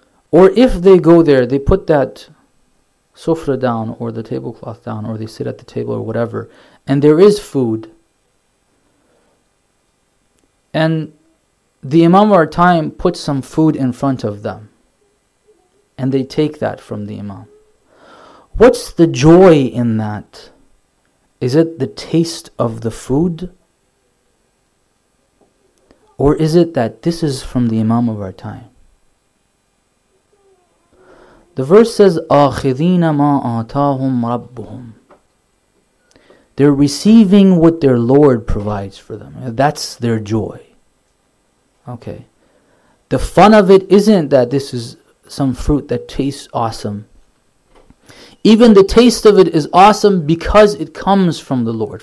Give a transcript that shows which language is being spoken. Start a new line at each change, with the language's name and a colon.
English: Or if they go there, they put that sofra down or the tablecloth down or they sit at the table or whatever and there is food and the Imam of our time puts some food in front of them and they take that from the Imam. What's the joy in that? Is it the taste of the food? Or is it that this is from the Imam of our time? The verse says,
Arabic: أَخِذِينَ مَا آتَاهُمْ رَبُّهُمْ.
English: They're receiving what their Lord provides for them. That's their joy. Okay. The fun of it isn't that this is some fruit that tastes awesome. Even the taste of it is awesome because it comes from the Lord.